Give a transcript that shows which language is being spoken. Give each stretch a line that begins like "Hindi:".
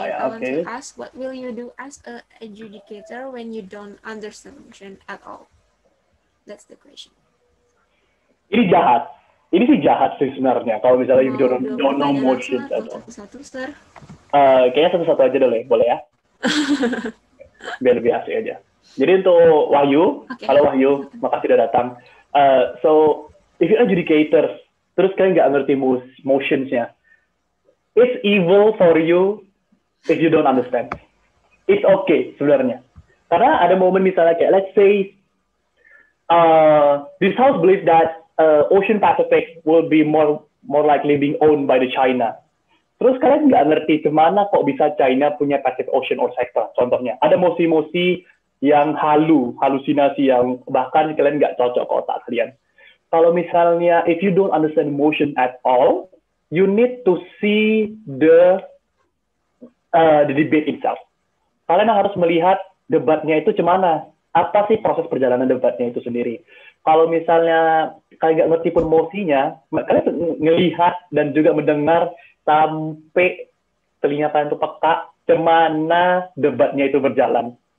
English: I want to ask, what will you do as an adjudicator when you don't understand at all? That's the question.
Indonesian: Ini jahat. Ini sih jahat sih sebenarnya. Kalau misalnya
English: you don't know motion
Indonesian: atau satu-satu, sir. Kayaknya satu-satu aja deh, boleh ya? Biar lebih asik aja. Jadi untuk Wahyu, halo Wahyu, makasih udah datang.
English: So if you're adjudicator,
Indonesian: terus kalian nggak ngerti motionsnya,
English: it's evil for you if you don't understand. It's okay
Indonesian: sebenarnya. Karena ada momen misalnya kayak
English: let's say this house believes that Ocean Pacific will be more likely being owned by the China.
Indonesian: Terus kalian nggak ngerti kemana kok bisa China punya Pacific Ocean or sector. Contohnya, ada mosi-mosi yang halusinasi yang bahkan kalian nggak cocok ke otak kalian. Kalau misalnya,
English: if you don't understand motion at all, you need to see the debate itself.
Indonesian: Kalian harus melihat debatnya itu cemana. Apa sih proses perjalanan debatnya itu sendiri. Kalau misalnya kalian nggak ngerti pun mosinya, kalian melihat dan juga mendengar sampai telinga kalian itu peka cemana debatnya itu berjalan.